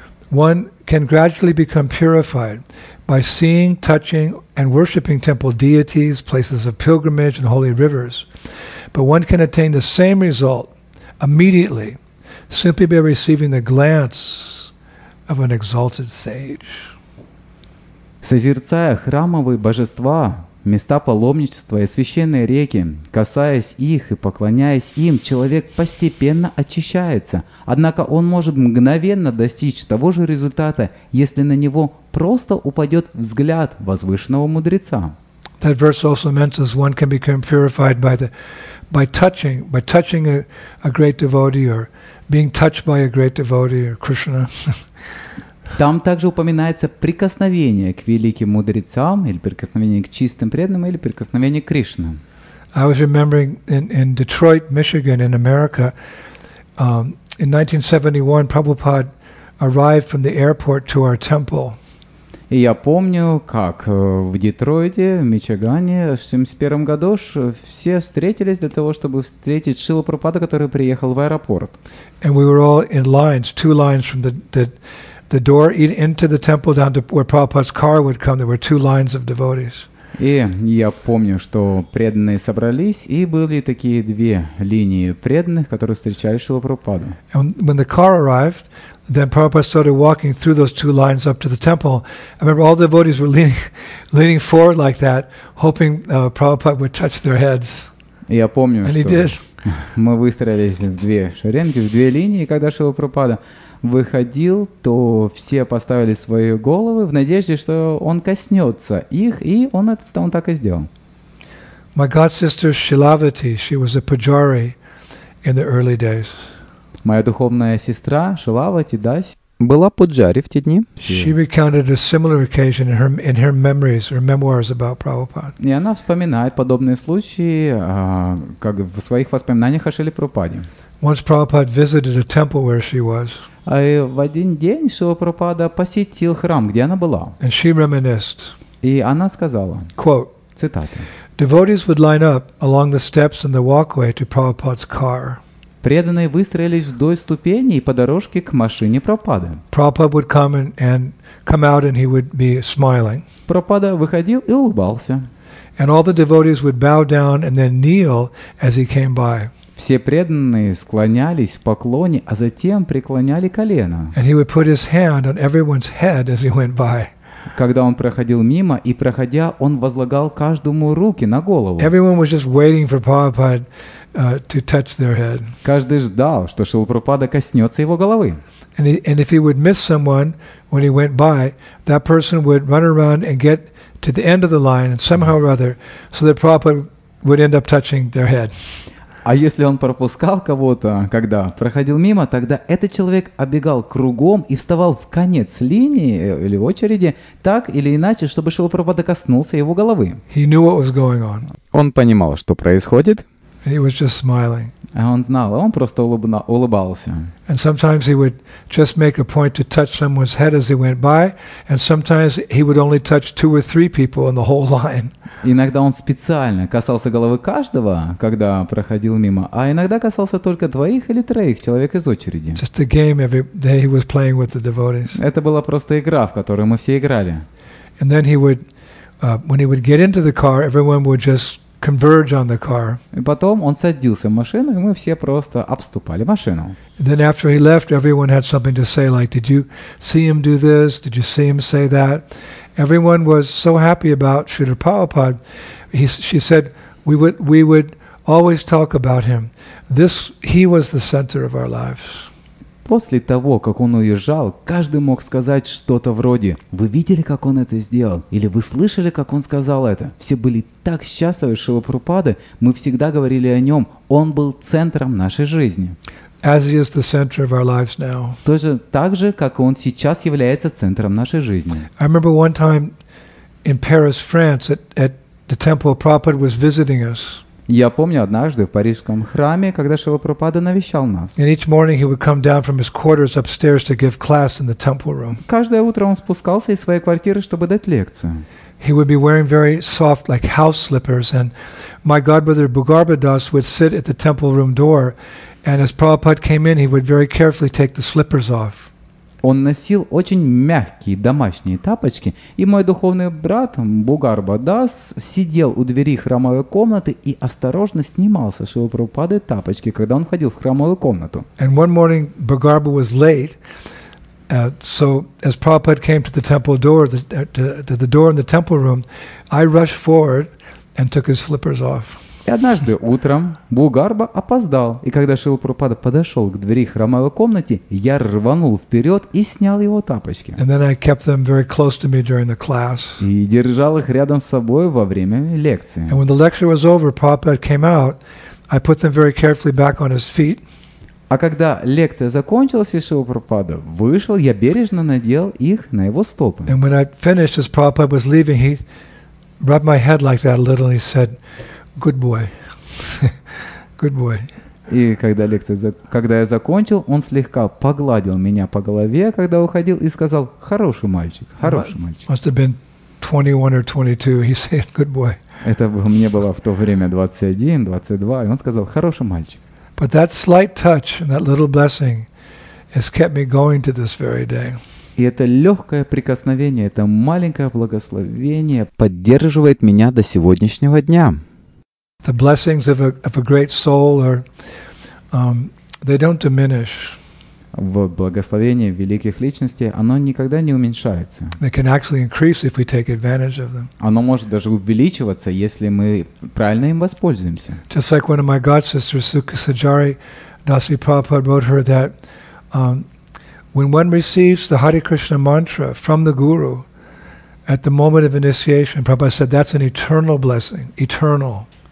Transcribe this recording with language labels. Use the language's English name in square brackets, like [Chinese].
[English] One can gradually become purified by seeing, touching and worshipping temple deities, places of pilgrimage and holy rivers. But one can attain the same result immediately simply by receiving the glance of an exalted sage. [Russian] Созерцая храмовые божества, места паломничества и священные реки, касаясь их и поклоняясь им, человек постепенно очищается. Однако он может мгновенно достичь того же результата, если на него просто упадет взгляд возвышенного мудреца. [English] That verse also mentions one can become purified by touching a great devotee or being touched by a great devotee or Krishna. [Russian] Там также упоминается прикосновение к великим мудрецам или прикосновение к чистым преданным или прикосновение к Кришне. [English] I was remembering in Detroit, Michigan, in America, in 1971, Prabhupada arrived from the airport to our temple. [Russian] И я помню, как в Детройте, в Мичигане, в 71 году все встретились для того, чтобы встретить Шрилу Прабхупаду, который приехал в аэропорт. [English] And we were all in lines, two lines from the door into the temple down to where Prabhupada's car would come. There were two lines of devotees. [Russian] И я помню, что преданные собрались, и были такие две линии преданных, которые встречали Шрилу Прабхупаду. [English] And when the car arrived, then Prabhupada started walking through those two lines up to the temple. I remember all the devotees were leaning forward like that, hoping Prabhupada would touch their heads. [Russian] Я помню, and что мы выстроились в две шеренги, в две линии, и когда Шрила Прабхупада выходил, то все поставили свои головы в надежде, что он коснется их, и он это он так и сделал. [English] My god sister Shilavati, she was a pujari in the early days. [Russian] Моя духовная сестра Шилавати Дас была пуджари в те дни. [English] She recounted a similar occasion in her memories, her memoirs about Prabhupada. [Russian] И она вспоминает подобные случаи, как в своих воспоминаниях о Шриле Прабхупаде. [English] Once Prabhupada visited a temple where she was. [Russian] А в один день Шрила Прабхупада посетил храм, где она была. [English] And she reminisced. [Russian] И она сказала. [English] Quote. [Russian] Цитата. [English] Devotees would line up along the steps and the walkway to Prabhupada's car. [Russian] Преданные выстроились вдоль ступеней по дорожке к машине Прабхупады. [English] Prabhupada would come and come out and he would be smiling. [Russian] Прабхупада выходил и улыбался. [English] And all the devotees would bow down and then kneel as he came by. [Russian] Все преданные склонялись в поклоне, а затем преклоняли колено. [English] And he would put his hand on everyone's head as he went by. [Russian] Когда он проходил мимо, и проходя, он возлагал каждому руки на голову. [English] Everyone was just waiting for Prabhupada to touch their head. [Russian] Каждый ждал, что Шрила Прабхупада коснется его головы. [English] And if he would miss someone when he went by, that person would run around and get to the end of the line and somehow or other, so that Prabhupada would end up touching their head. [Russian] А если он пропускал кого-то, когда проходил мимо, тогда этот человек оббегал кругом и вставал в конец линии или очереди, так или иначе, чтобы Шрила Прабхупада коснулся его головы. [English] He knew what was going on. [Russian] Он понимал, что происходит. [English] He was just smiling. [Russian] А он знал, он просто улыбался. [English] And sometimes he would just make a point to touch someone's head as he went by, and sometimes he would only touch two or three people in the whole line. [Russian] Иногда он специально касался головы каждого, когда проходил мимо, а иногда касался только двоих или троих человек из очереди. [English] Just a game every day he was playing with the devotees. [Russian] Это была просто игра, в которую мы все играли. [English] And then he would, when he would get into the car, everyone would just converge on the car. [Russian] И потом он садился в машину, и мы все просто обступали машину. [English] Then after he left, everyone had something to say, like, did you see him do this? Did you see him say that? Everyone was so happy about Srila Prabhupada. She said, we would always talk about him. He was the center of our lives. [Russian] После того, как он уезжал, каждый мог сказать что-то вроде: «Вы видели, как он это сделал?» Или «Вы слышали, как он сказал это?» Все были так счастливы Шрилы Прабхупады, мы всегда говорили о нем. Он был центром нашей жизни. [English] As he is the center of our lives now. [Russian] Тоже так же, как он сейчас является центром нашей жизни. [English] I remember one time in Paris, France, at the temple Prabhupada was visiting us. [Russian] Я помню однажды в парижском храме, когда Шрила Прабхупада навещал нас. [English] And each morning he would come down from his quarters upstairs to give class in the temple room. [Russian] Каждое утро он спускался из своей квартиры, чтобы дать лекцию. [English] He would be wearing very soft, like house slippers, and my godbrother Bhugarbhadas would sit at the temple room door, and as Prabhupada came in, he would very carefully take the slippers off. [Russian] Он носил очень мягкие домашние тапочки, и мой духовный брат Бхугарбхадас сидел у двери храмовой комнаты и осторожно снимал со Шрилы Прабхупады тапочки, когда он ходил в храмовую комнату. [English] And one morning Bhugarbha was late, so as Prabhupada came to the temple door, to the door in the temple room, I rushed forward and took his slippers off. [Russian] И однажды утром Бхугарбха опоздал, и когда Шрила Прабхупада подошел к двери храмовой комнаты, я рванул вперед и снял его тапочки. [English] And then I kept them very close to me during the class. [Russian] И держал их рядом с собой во время лекции. [English] And when the lecture was over, Prabhupada came out, I put them very carefully back on his feet. [Russian] А когда лекция закончилась, и Шрила Прабхупада вышел, я бережно надел их на его стопы. [English] And when I finished, as Prabhupada was leaving, he rubbed my head like that a little, and he said, good boy. Good boy. [Russian] И когда когда я закончил, он слегка погладил меня по голове, когда уходил, и сказал: «Хороший мальчик, хороший мальчик». [English] Must have been 21 or 22. He said, good boy. [Russian] Это мне было в то время 21, 22, и он сказал: «Хороший мальчик». [English] But that slight touch and that little blessing has kept me going to this very day. [Russian] И это легкое прикосновение, это маленькое благословение поддерживает меня до сегодняшнего дня. [English] The blessings of a great soul are they don't diminish. [Russian] Вот благословение великих личностей, оно никогда не уменьшается. [English] They can actually increase if we take advantage of them. [Russian] Оно может даже увеличиваться, если мы правильно им воспользуемся. [English] Just like one of my god sisters, Sukha Sajari, Dasi Prabhupada wrote her that when one receives the Hare Krishna mantra from the guru at the moment of initiation, Prabhupada said that's an eternal blessing, eternal.